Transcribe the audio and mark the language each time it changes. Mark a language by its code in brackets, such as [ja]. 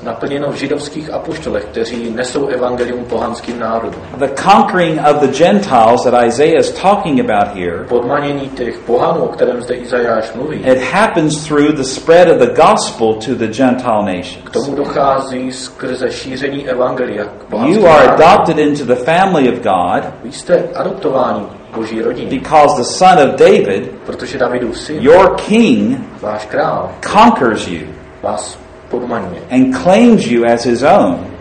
[cs] Naplněno v židovských apoštolech, kteří nesou evangelium pohanským národům. [en] The conquering of the Gentiles that Isaiah is talking about here. [cs] Podmanění těch pohanů, o kterém zde Izajáš mluví. [en] It happens through the spread of the gospel to the Gentile nations. [cs] K tomu dochází skrze šíření evangelia k pohanským. [en] You are adopted into the family of God. [cs] Vy jste adoptováni. [en] Because the son of David, [cs] protože Davidův syn, [en] your king, [cs] váš král, [en] conquers you, [cs] vás podmaňuje, [en] and claims you as his own,